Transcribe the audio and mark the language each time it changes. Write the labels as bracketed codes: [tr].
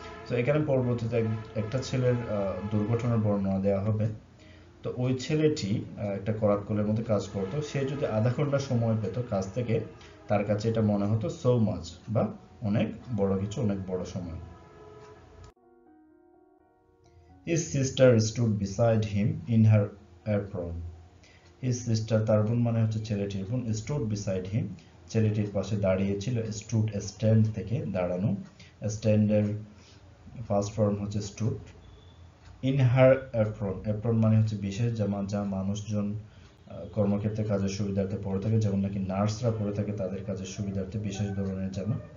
[bn] তো এখানে পরবর্তীতে একটা ছেলের দুর্ঘটনার বর্ণনা দেওয়া হবে। তো ওই ছেলেটি একটা করাতকলের মধ্যে কাজ করতো, সে যদি আধা ঘন্টা সময় পেত কাজ থেকে, তার কাছে এটা মনে হতো সো মাচ, বা অনেক বড় কিছু, অনেক বড় সময়। [en] His sister stood beside him in her apron. [bn] His sister, তার বোন মানে হচ্ছে ছেলেটির বোন, [en] stood beside him, [bn] ছেলেটির পাশে দাঁড়িয়েছিল। Stood, stand থেকে দাঁড়ানো, stand এর ফার্স্ট ফর্ম হচ্ছে stood। [en] In her apron, [bn] apron মানে হচ্ছে বিশেষ জামা, যা মানুষজন কর্মক্ষেত্রে কাজের সুবিধার্থে পরে থাকে, যেমন নাকি নার্সরা পরে থাকে তাদের কাজের সুবিধার্থে বিশেষ ধরনের জামা।